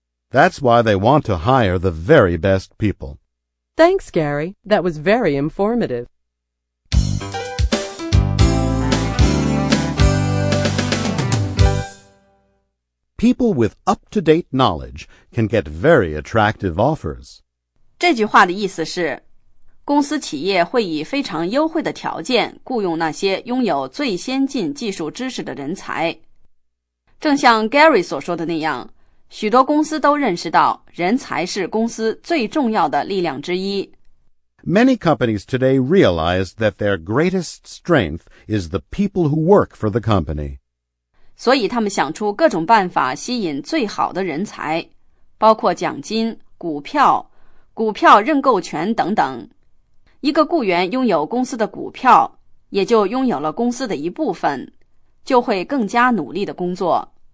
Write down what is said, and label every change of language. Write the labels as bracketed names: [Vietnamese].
[English] That's why they want to hire the very best people. Thanks, Gary. That was very informative. People with up-to-date knowledge can get very attractive offers. [Chinese] 这句话的意思是，公司企业会以非常优惠的条件雇佣那些拥有最先进技术知识的人才。正像 Gary 所说的那样，许多公司都认识到人才是公司最重要的力量之一。 [English] Many companies today realize that their greatest strength is the people who work for the company. [Chinese] 所以他们想出各种办法吸引最好的人才，包括奖金、股票、股票认购权等等。一个雇员拥有公司的股票，也就拥有了公司的一部分，就会更加努力的工作。